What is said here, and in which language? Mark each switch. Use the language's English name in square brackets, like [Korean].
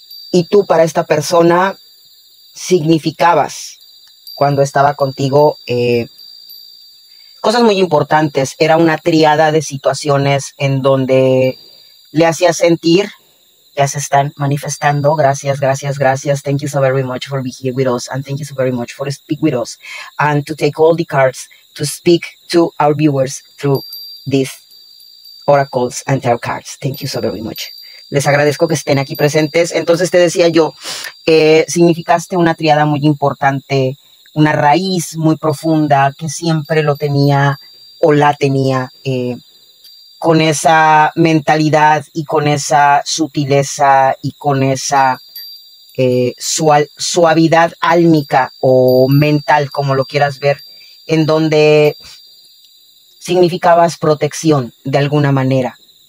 [Spanish] Y tú para esta persona significabas cuando estaba contigo cosas muy importantes. Era una tríada de situaciones en donde le hacía sentir, ya se están manifestando. Gracias, gracias, gracias. [English] Thank you so very much for being here with us. And thank you so very much for speaking with us. And to take all the cards, to speak to our viewers through these oracles and tarot cards. Thank you so very much. [Spanish] Les agradezco que estén aquí presentes. Entonces te decía yo, significaste una triada muy importante, una raíz muy profunda que siempre lo tenía o la tenía con esa mentalidad y con esa sutileza y con esa suavidad álmica o mental, como lo quieras ver, en donde significabas protección de alguna manera.